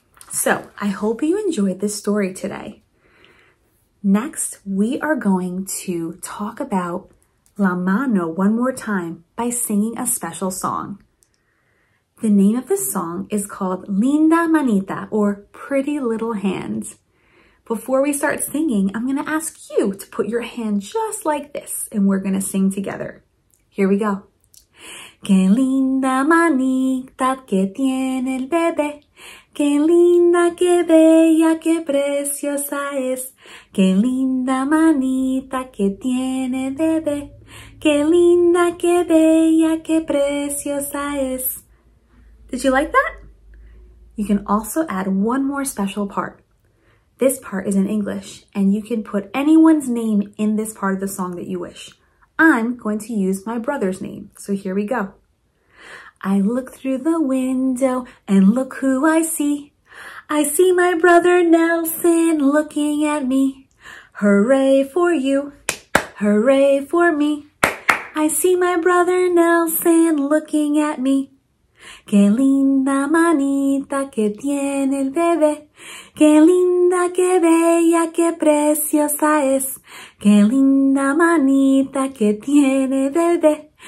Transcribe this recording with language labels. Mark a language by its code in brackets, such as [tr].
[en] So I hope you enjoyed this story today. Next, we are going to talk about La Mano one more time by singing a special song. The name of the song is called Linda Manita, or Pretty Little Hand. Before we start singing, I'm going to ask you to put your hand just like this, and we're going to sing together. Here we go. [es] Qué linda manita que tiene el bebé. Qué linda, qué bella, qué preciosa es. Qué linda manita que tiene bebé. Qué linda, qué bella, qué preciosa es. [en] Did you like that? You can also add one more special part. This part is in English, and you can put anyone's name in this part of the song that you wish. I'm going to use my brother's name, so here we go. I look through the window and look who I see. I see my brother Nelson looking at me. Hooray for you, hooray for me. I see my brother Nelson looking at me. [es] Qué linda manita que tiene el bebé. Qué linda, qué bella, qué preciosa es. Qué linda manita que tiene el bebé.